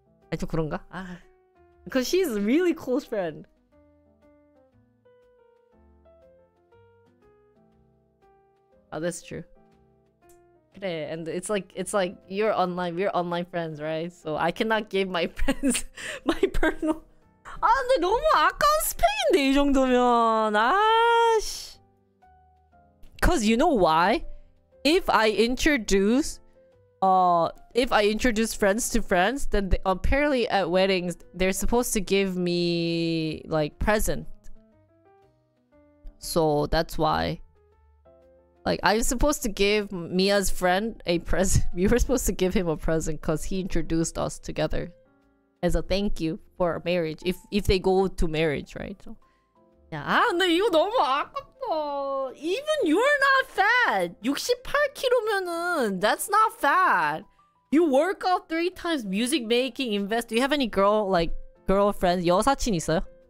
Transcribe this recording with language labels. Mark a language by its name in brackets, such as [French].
[Korean] 아, 저 그런가? [English] Because she's a really close friend. Oh, that's true. [Korean] 그래. [English] And it's like you're online, we're online friends, right? So I cannot give my friends my personal. [Korean] 아 근데 너무 아까운 스펙인데 이 정도면 아씨. [English] Cause you know why? If I introduce friends to friends, then they, apparently at weddings they're supposed to give me like present. So that's why. Like I'm supposed to give Mia's friend a present. We were supposed to give him a present because he introduced us together as a thank you for marriage. If they go to marriage, right? So, yeah. [Korean] 아, 근데 이거 너무 아깝다. [English] Even you're not fat. [Korean] 68kg면은 [English] that's not fat. You work out 3 times, music making, invest. Do you have any girl like girlfriends? [Korean] 여사친 있어요?